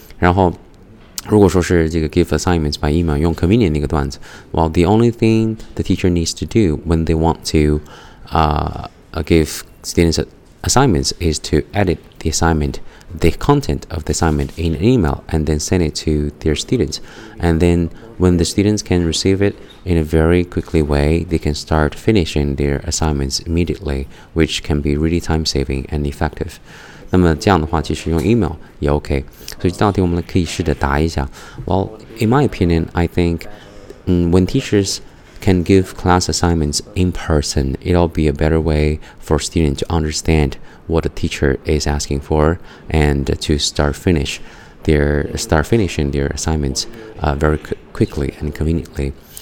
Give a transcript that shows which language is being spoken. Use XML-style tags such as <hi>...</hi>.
<zh>然后如果说是这个</zh> <en>give assignments by email</en> <zh>用</zh> <en>convenient</en> <zh>那个段子，</zh> <en>well the only thing the teacher needs to do when they want to give students assignments is to edit the assignment, the content of the assignment in an email and then send it to their students, and then when the students can receive it in a very quickly way, they can start finishing their assignments immediately, which can be really time saving and effective.</en> <zh>那么这样的话，其实用 email 也 OK。所以这道题我们可以试着答一下。</zh> <en>Well, in my opinion, I think, when teachers can give class assignments in person, it'll be a better way for students to understand what the teacher is asking for and to start finishing their assignments, very quickly and conveniently.</en>